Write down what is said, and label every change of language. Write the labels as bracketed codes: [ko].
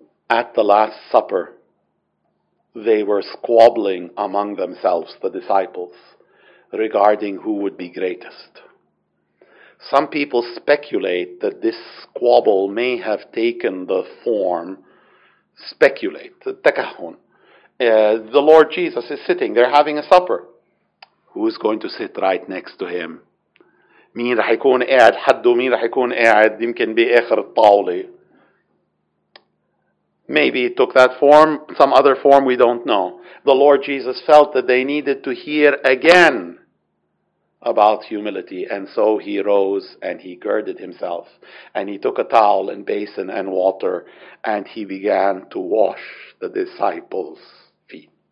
[en] At the Last Supper, they were squabbling among themselves, the disciples, regarding who would be greatest. Some people speculate that this squabble may have taken the form, speculate, [ar] تكهن. [en] The Lord Jesus is sitting, they're having a supper. Who's going to sit right next to him? [ar] مين رح يكون قاعد حده, مين رح يكون قاعد يمكن بآخر الطاولة. [en] Maybe it took that form, some other form, we don't know. The Lord Jesus felt that they needed to hear again about humility, and so he rose and he girded himself, and he took a towel and basin and water, and he began to wash the disciples' feet.